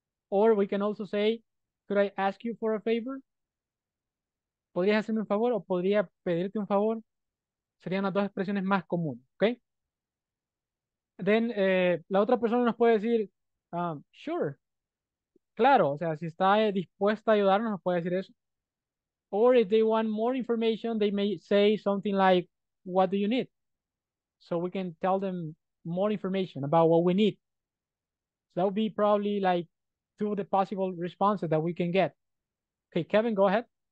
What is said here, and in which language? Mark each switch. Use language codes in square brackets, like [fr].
[en] Or we can also say, could I ask you for a favor? [es] ¿Podrías hacerme un favor o podría pedirte un favor? Serían las dos expresiones más comunes, ¿ok? Then, la otra persona nos puede decir, sure. Claro, o sea, si está dispuesta a ayudarnos, nos puede decir eso. [en] Or if they want more information, they may say something like, what do you need? So we can tell them more information about what we need. So that would be probably like, two of the possible responses that we can get. Okay, Kevin, go ahead.